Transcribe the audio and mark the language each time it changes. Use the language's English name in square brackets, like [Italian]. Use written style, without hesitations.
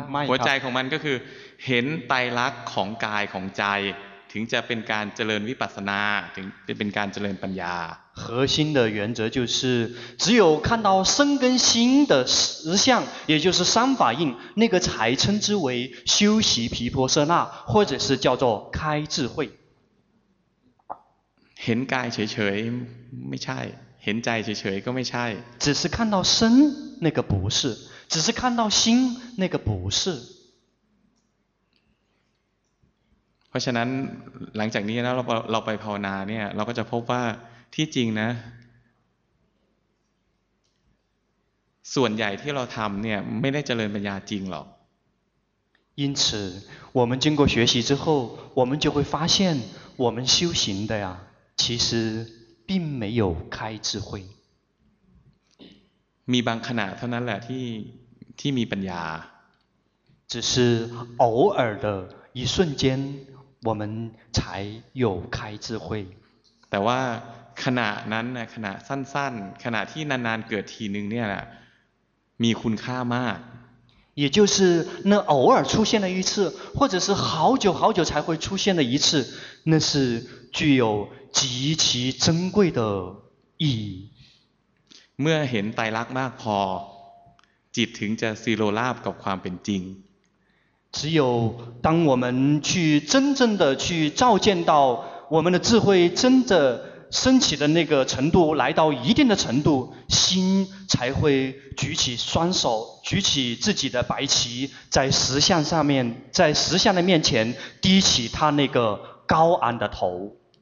[Thai] หัวใจของมันก็คือเห็นไตรลักษณ์ของกายของใจถึงจะเป็นการเจริญวิปัสสนาถึงจะเป็นการเจริญปัญญา [Chinese] 核心的原则就是只有看到身跟心的实相也就是三法印那个才称之为修习毗婆舍那或者是叫做开智慧 [Thai] เห็นกายเฉยๆไม่ใช่เห็นใจเฉยๆก็ไม่ใช่ [Chinese] 只是看到身那个不是只是看到心那个不是 [Thai] เพราะฉะนั้นหลังจากนี้นะเราไปภาวนาเนี่ยเราก็จะพบว่าที่จริงนะส่วนใหญ่ที่เราทำเนี่ยไม่ได้เจริญปัญญาจริงหรอก [Chinese] 因此我们经过学习之后，我们就会发现我们修行的呀，其实并没有开智慧。 [Thai] มีบางขณะเท่านั้นแหละที่มีปัญญา [Chinese] 只是偶尔的一瞬间我们才有开智慧。 [Thai] แต่ว่าขณะนั้นขณะสั้นๆขณะที่นานๆเกิดทีนึงเนี่ยแหละมีคุณค่ามาก [Chinese] 也就是那偶尔出现了一次，或者是好久好久才会出现的一次，那是具有极其珍贵的意义。 [Thai] เมื่อเห็นไตรลักษณ์มากพอจิตถึงจะซีโรราบกับความเป็นจริง [Chinese] 只有当我们去真正的去照见到我们的智慧真的升起的那个程度来到一定的程度心才会举起双手举起自己的白旗在石像上面在石像的面前低起他那个高昂的头